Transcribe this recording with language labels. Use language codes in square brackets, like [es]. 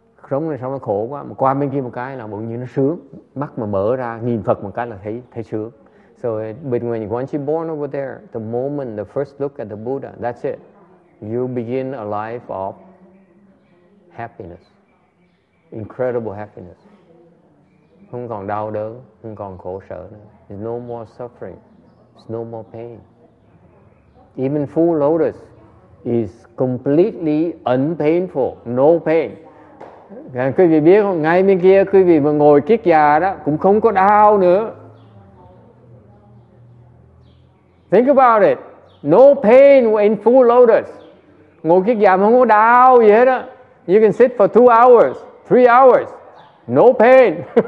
[vi] Sống này sao nó khổ quá. Mà qua bên kia một cái là bỗng nhiên nó sướng. Mắt mà mở ra, nhìn Phật một cái là thấy sướng. [en] So, but when you, once you're born over there, the moment, the first look at the Buddha, that's it. You begin a life of happiness. Incredible happiness. [vi] Không còn đau đớn, không còn khổ sở nữa. [en] There's no more suffering. There's no more pain. Even full lotus is completely unpainful, no pain. [vi] Quý vị biết không? Ngay bên kia quý vị mà ngồi kiết già đó cũng không có đau nữa. [en] Think about it. No pain in full lotus. [vi] Ngồi kiết già mà không có đau gì hết á. [en] You can sit for 2 hours, 3 hours, no pain.